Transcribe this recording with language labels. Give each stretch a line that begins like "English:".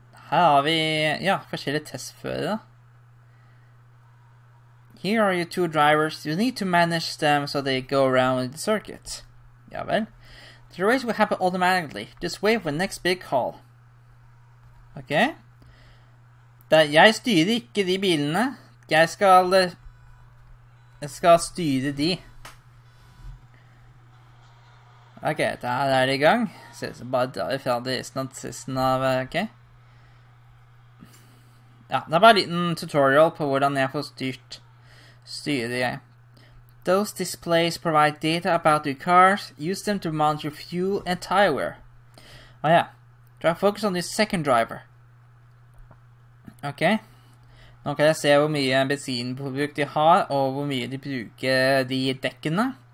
Norwegian: Her har vi, ja, forskjellige testfører.
English: Here are your two drivers. You need to manage them so they go around the circuit. Ja vel. The race will happen automatically. Just wait for the next big call. Ok.
Norwegian: Jeg styrer ikke de bilene. Jeg skal styre de. Ok, der er det i gang. Se, så bare drar vi fra det resten av, ok. Ja, det er bare en liten tutorial på hvordan jeg får styrer jeg.
English: Those displays provide data about your cars. Use them to monitor fuel and tire wear. Ah ja, try to focus on your second driver. Ok.
Norwegian: Nå kan jeg se hvor mye bensinbruk de har, og hvor mye de bruker de dekkene.